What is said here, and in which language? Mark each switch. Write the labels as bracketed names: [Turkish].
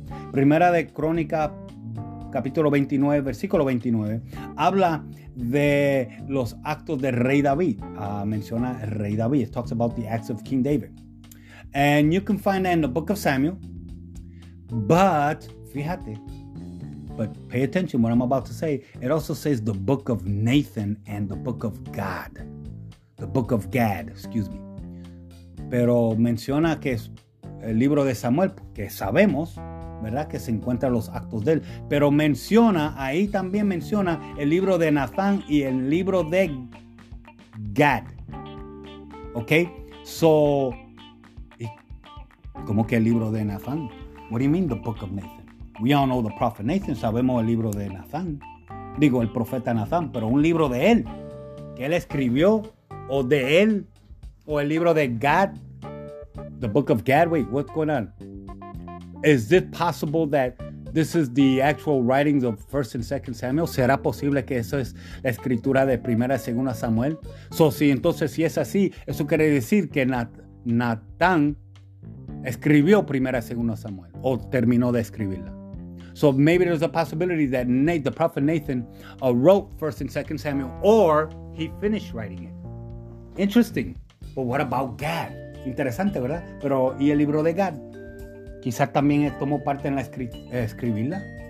[Spanish] Primera de Crónica capítulo 29 versículo 29 habla de los actos del rey David. Menciona el rey David. [English] It talks about the acts of King David. And you can find that in the book of Samuel. But, fíjate, but pay attention what I'm about to say. It also says the book of Nathan and the book of God. The book of Gad, excuse me. [Spanish] Pero menciona que es el libro de Samuel, que sabemos, ¿verdad? Que se encuentran los actos de él. Pero menciona, ahí también menciona el libro de Nathan y el libro de Gad. Okay? So, ¿cómo que el libro de Nathan? [English] What do you mean the book of Nathan? We all know the prophet Nathan. [Spanish] Sabemos el libro de Nathan. Digo, el profeta Nathan, pero un libro de él. que él escribió, o de él, o el libro de God, [English] the book of God. Wait, what's going on? Is it possible that this is the actual writings of 1 and 2 Samuel? [Spanish] ¿Será posible que eso es la escritura de 1 y 2 Samuel? So, si entonces si es así, eso quiere decir que Natán escribió 1 y 2 Samuel, o terminó de escribirla. [English] So maybe there's a possibility that Nate, the prophet Nathan, wrote 1 and 2 Samuel, or he finished writing it. Interesting. But what about God? [Spanish] Interesante, ¿verdad? Pero, ¿y el libro de God? Quizás también tomó parte en la escribirla.